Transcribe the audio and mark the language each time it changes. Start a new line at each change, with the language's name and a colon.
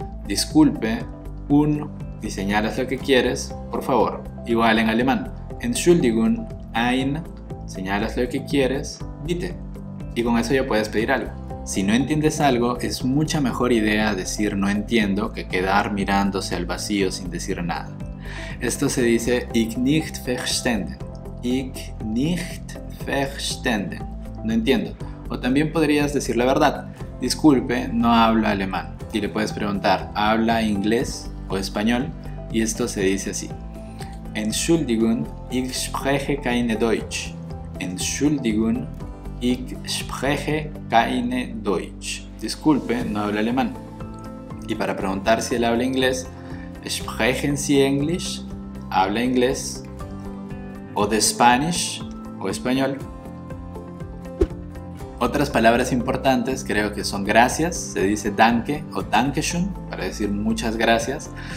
Spanish: Disculpe, un, y señalas lo que quieres, por favor. Igual en alemán.
German: Entschuldigung, ein,
Spanish: señalas lo que quieres,
German: bitte.
Spanish: Y con eso ya puedes pedir algo. Si no entiendes algo, es mucha mejor idea decir no entiendo que quedar mirándose al vacío sin decir nada. Esto se dice
German: ich nicht verstehen. Ich nicht verstehen.
Spanish: No entiendo. O también podrías decir la verdad: disculpe, no hablo alemán. Y le puedes preguntar: ¿habla inglés o español? Y esto se dice así:
German: Entschuldigung, ich spreche keine Deutsch. Entschuldigung, ich spreche keine Deutsch.
Spanish: Disculpe, no hablo alemán. Y para preguntar si él habla inglés:
German: ¿sprechen Sie Englisch?
Spanish: ¿Habla inglés? ¿O de Spanish? ¿O español? Otras palabras importantes creo que son gracias, se dice danke o dankeschön para decir muchas gracias.